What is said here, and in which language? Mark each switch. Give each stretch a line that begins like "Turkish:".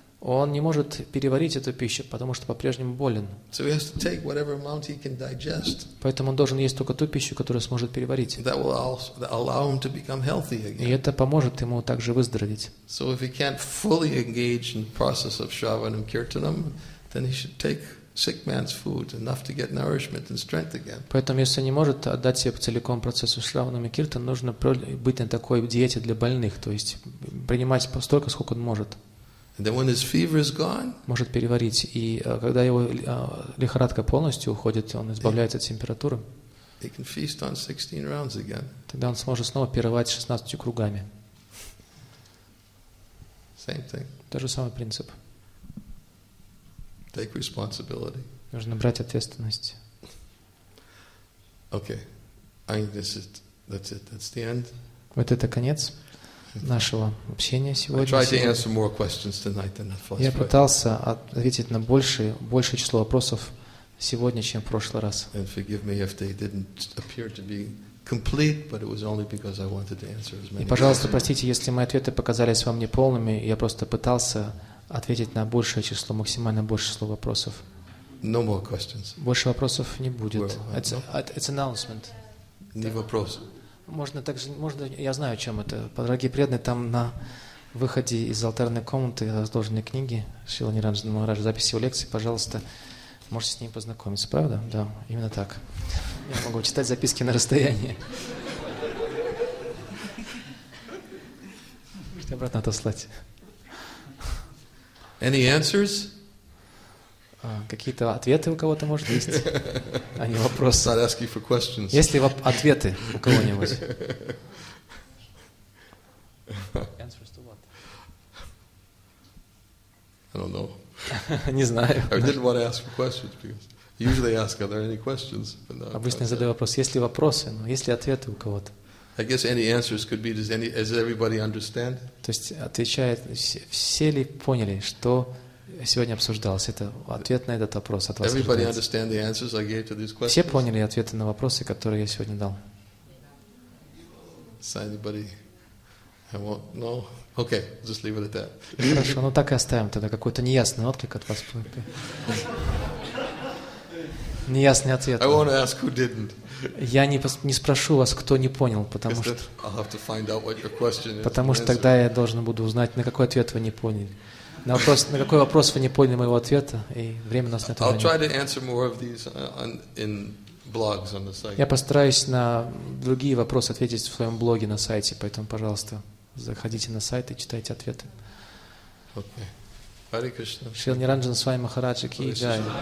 Russian: Он не может переварить эту пищу, потому что по-прежнему болен.
English: So he has to take whatever amount he can digest.
Russian: Поэтому он должен есть только ту пищу, которую сможет переварить.
English: That will also allow him to become healthy again.
Russian: И это поможет ему также выздороветь.
English: So if he can't fully engage in process of Shravanam Kirtanam, then he should take sick man's food, enough to get nourishment and strength again.
Russian: Поэтому, если не может отдать себе целиком процессу Шраванам и Киртанам, нужно быть на такой диете для больных, то есть принимать столько, сколько он может.
English: And then when his fever is gone,
Russian: может переварить, и когда его лихорадка полностью уходит, он избавляется от температуры.
English: He can feast on 16 rounds again.
Russian: Тогда он сможет снова пировать 16 кругами.
English: Same thing.
Russian: Тот же самый принцип.
English: Take responsibility.
Russian: Нужно брать ответственность.
English: Okay, I think this is it. That's the end.
Russian: Вот это конец нашего общения сегодня.
English: I tried to answer more questions tonight than last
Russian: Я пытался ответить на большее число вопросов сегодня, чем в прошлый раз.
English: And forgive me if they didn't appear to be complete, but it was only because I wanted to answer as many.
Russian: И, пожалуйста, простите, если мои ответы показались вам неполными, я просто пытался ответить на большее число, максимально большее число вопросов.
English: No more questions.
Russian: Больше вопросов не будет.
English: It's announcement.
Russian: Не вопрос. Можно также, можно, я знаю, о чем это. Дорогие преданные, там на выходе из алтарной комнаты разложены книги Шрилы Ниранджана Махараджа, записи его лекции, пожалуйста, можете с ним познакомиться, правда? Да, именно так. Я могу читать записки на расстоянии. Можете обратно отослать.
English: Any answers?
Russian: Какие-то ответы у кого-то, может, есть? А не вопросы.
English: Not asking for questions.
Russian: Есть ли ответы у кого-нибудь?
English: Answers to what? I don't know.
Russian: Не знаю.
English: I didn't want to ask for questions because I usually ask, are there any questions? But no,
Russian: обычно я задаю вопрос, есть ли вопросы, но есть ли ответы у кого-то?
English: I guess any answers could be, does everybody understand?
Russian: То есть отвечает, все ли поняли, что сегодня обсуждалось, это ответ на этот вопрос от вас.
English: Everybody understand the answers I gave to these questions?
Russian: Все поняли ответы на вопросы, которые я сегодня дал?
English: Is anybody? I won't know. Okay, just leave it at that.
Russian: Хорошо, ну так и оставим тогда. Какой-то неясный отклик от вас. Неясный ответ.
English: I want to ask who didn't.
Russian: Я не спрошу вас, кто не понял, потому что...
English: I'll have to find out what your question is.
Russian: Потому что тогда я должен буду узнать, на какой ответ вы не поняли. На вопрос, на какой вопрос вы не поняли моего ответа, и время у нас на это
English: I'll try to answer more of these in blogs on the site.
Russian: Я постараюсь на другие вопросы ответить в своем блоге на сайте, поэтому, пожалуйста, заходите на сайт и читайте ответы.
English: Okay. Hare Krishna.
Russian: Шрила Ниранджана Свами Махараджа Ки Джай.